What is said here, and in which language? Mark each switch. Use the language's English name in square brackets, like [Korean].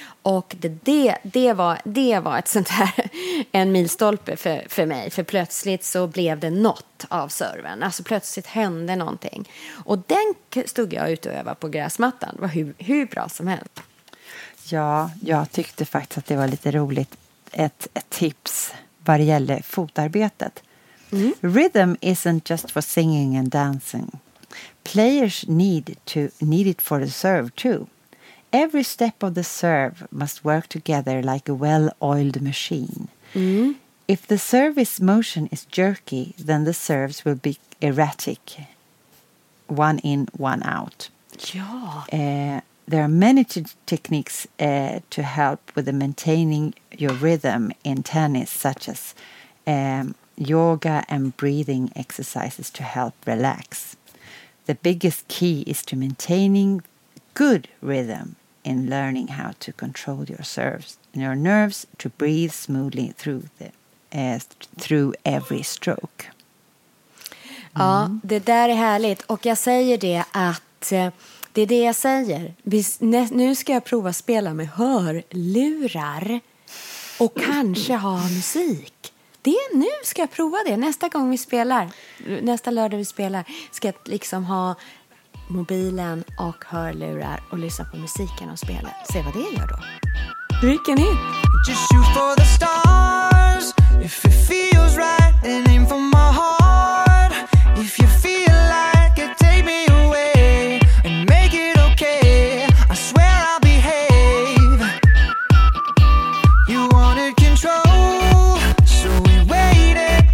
[Swedish] Och det var ett sånt här, en milstolpe för mig, för plötsligt så blev det något av serven. Alltså plötsligt hände någonting. Och den stod jag ute och övade på gräsmattan, det var hur bra som helst. Ja, jag tyckte faktiskt att det var lite roligt. Ett tips vad det gäller fotarbetet. Mm. [English] Rhythm isn't just for singing and dancing. Players need it for the serve too. Every step of the serve must work together like a well-oiled machine. Mm. If the service motion is jerky, then the serves will be erratic. One in, one out. [Swedish] Ja. [English] There are many techniques to help with the maintaining your rhythm in tennis, such as yoga and breathing exercises to help relax. The biggest key is to maintaining good rhythm in learning how to control your serves and your nerves to breathe smoothly through through every stroke. [Swedish] Mm. Ja, det där är härligt. Och jag säger det att det är det jag säger. Nu ska jag prova att spela med hörlurar och kanske ha musik. Det är, nu ska jag prova det. Nästa gång vi spelar, nästa lördag vi spelar, ska jag liksom ha mobilen och hörlurar och lyssna på musiken och spela. Se vad det gör då. Vilken är? [English] Just shoot for the stars. If it feels right, then aim for my heart. If you feel like it, take me away and make it okay. I swear I'll behave. You wanted control, so we waited.